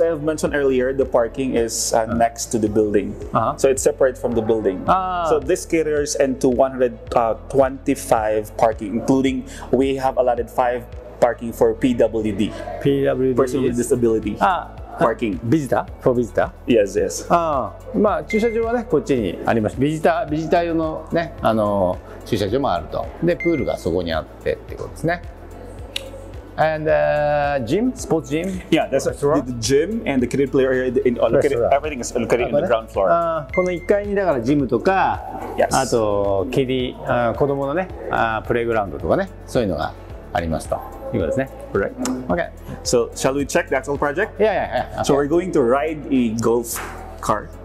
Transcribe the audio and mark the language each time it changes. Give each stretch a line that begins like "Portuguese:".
English: As I have mentioned earlier, the parking is next to the building. So it's separate from the building. So this caters into 125 parking, including we have allotted 5 parking for PWD. PWD Person with disability. Parking. Visitor? For visitor? Yes, yes.
Japanese: まあ駐車場はね、こっちにあります。ビジター用のね、駐車場もあると。で、プールがそこにあってってことですね。
English: And gym, sports gym. Yeah, that's the gym and the cricket player area. Everything is located in the ground floor.
Japanese: この1階にだからジムとか、あとキディ、子供のね、プレイグラウンドとかね、そういうのがありますと。いうことですね。
English: Right. Okay. So shall we check the actual project? Yeah. So we're going to ride a golf car.